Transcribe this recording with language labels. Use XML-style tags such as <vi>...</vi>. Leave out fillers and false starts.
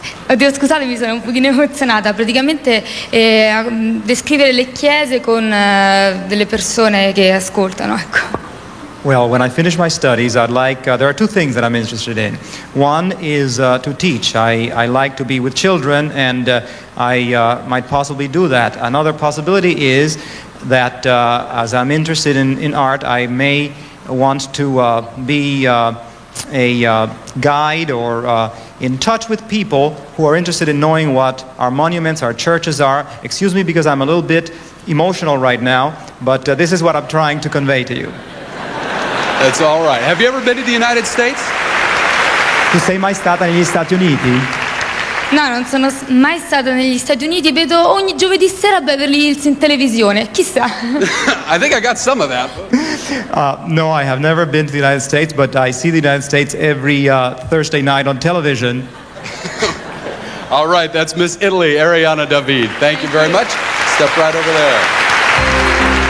<it>Oddio, scusate, mi sono un pochino emozionata. Praticamente descrivere le chiese con delle persone che ascoltano, ecco.</it> <en>Well, when I finish my studies, I'd like, there are two things that I'm interested in. One is to teach. I like to be with children, and I might possibly do that. Another possibility is that as I'm interested in art, I may want to be a guide or in touch with people who are interested in knowing what our monuments, our churches are. Excuse me because I'm a little bit emotional right now, but this is what I'm trying to convey to you. That's all right. Have you ever been to the United States?</en> <it>Tu sei mai stata negli Stati Uniti? No, non sono mai stata negli Stati Uniti. Vedo ogni giovedì sera Beverly Hills in televisione. Chissà.</it> <en>I think I got some of that. No, I have never been to the United States, but I see the United States every Thursday night on television. All right, that's Miss Italy, Arianna David. Thank you very much. Step right over there.</en>